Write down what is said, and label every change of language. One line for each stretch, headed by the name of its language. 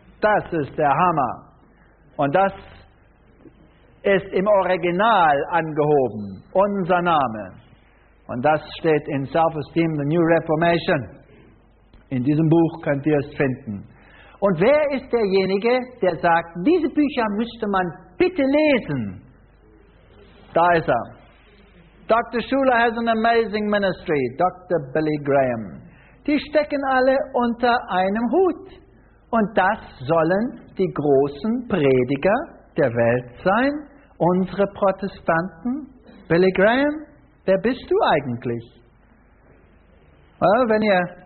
German: Das ist der Hammer. Und das ist im Original angehoben. Unser Name. Und das steht in Self-Esteem, the New Reformation. In diesem Buch könnt ihr es finden. Und wer ist derjenige, der sagt, diese Bücher müsste man bitte lesen? Da ist er. Dr.
English: Schuler has an amazing ministry, Dr. Billy Graham.
German: Die stecken alle unter einem Hut. Und das sollen die großen Prediger der Welt sein, unsere Protestanten. Billy Graham, wer bist du eigentlich? Wenn ihr